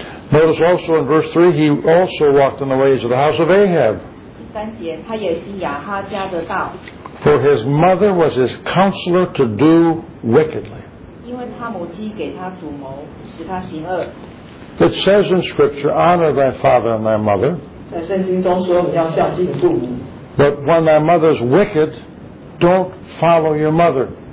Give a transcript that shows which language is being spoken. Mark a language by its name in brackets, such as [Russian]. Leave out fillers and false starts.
[English] Notice also in verse 3, he also walked in the ways of the house of Ahab. [Chinese] 三节，他也行亚哈家的道。 [English] For his mother was his counselor to do wickedly. [Chinese] 因为他母亲给他主谋，使他行恶。 [English] It says in Scripture, honor thy father and thy mother. [Chinese] 在圣经中说，你要孝敬父母。 [English] But when thy mother is wicked, don't follow your mother.